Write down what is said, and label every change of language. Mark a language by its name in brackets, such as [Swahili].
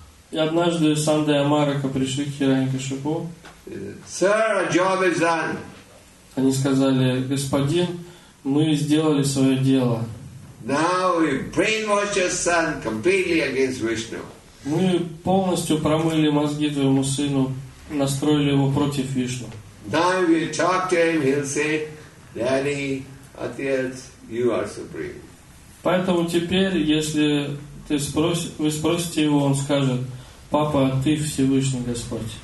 [Russian] И однажды Санда и Амарака пришли к Хиранякашипу. [English] Sir, job is done. [Russian] Они сказали: «Господин, мы сделали свое дело». [English] Now we brainwash your son completely against Vishnu. [Russian] Мы полностью промыли мозги твоему сыну, настроили его против Вишну. [English] Now we talk to him, he'll say, Daddy, Atiyat, you are supreme. [Russian] Поэтому теперь, если ты вы спросите его, он скажет: «Папа, ты Всевышний Господь».